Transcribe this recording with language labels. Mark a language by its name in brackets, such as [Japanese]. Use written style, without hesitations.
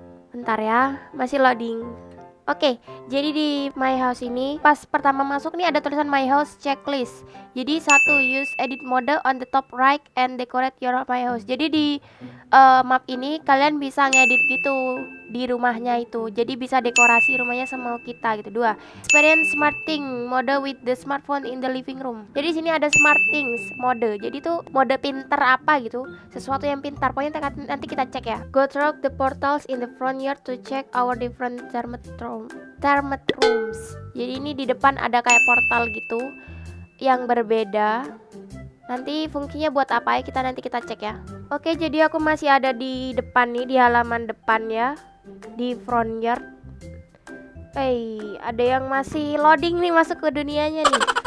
[Indonesian] Bentar ya, masih loading. Oke, jadi di My House ini pas pertama masuk nih ada tulisan My House Checklist. [English] Jadi 1, use edit mode on the top right and decorate your My House. [Indonesian] Jadi di map ini kalian bisa ngedit gitu di rumahnya itu. Jadi bisa dekorasi rumahnya semau kita gitu. [English] 2, experience smart thing mode with the smartphone in the living room. [Indonesian] Jadi sini ada smart things mode. Jadi tuh mode pintar apa gitu, sesuatu yang pintar. Pokoknya nanti kita cek ya. [English] Go through the portals in the front yard to check our different thermet rooms. [Indonesian] Jadi ini di depan ada kayak portal gitu yang berbeda. Nanti fungsinya buat apa ya, kita nanti kita cek ya. Oke, jadi aku masih ada di depan nih, di halaman depan ya, di front yard. Hey, ada yang masih loading nih, masuk ke dunianya nih.